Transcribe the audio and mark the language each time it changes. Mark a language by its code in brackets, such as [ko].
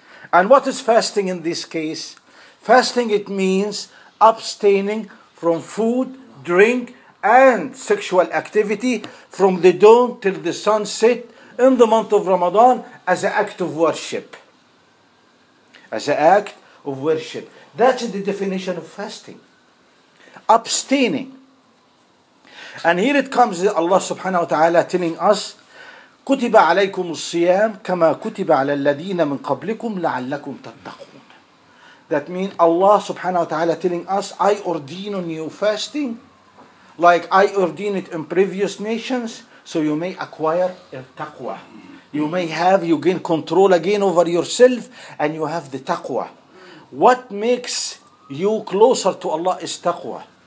[en] And what is fasting in this case? Fasting, it means abstaining from food, drink, and sexual activity from the dawn till the sunset in the month of Ramadan as an act of worship. As an act of worship. That's the definition of fasting. Abstaining. And here it comes, Allah subhanahu wa ta'ala telling us, [ar] كُتِبَ عَلَيْكُمُ الصِّيَامُ كَمَا كُتِبَ عَلَى الَّذِينَ مِنْ قَبْلِكُمْ لَعَلَّكُمْ تَتَّقُونَ. [en] That means Allah subhanahu wa ta'ala telling us, I ordain on you fasting, like I ordain it in previous nations, so you may acquire taqwa. You may have, you gain control again over yourself, and you have the taqwa. What makes you closer to Allah is taqwa.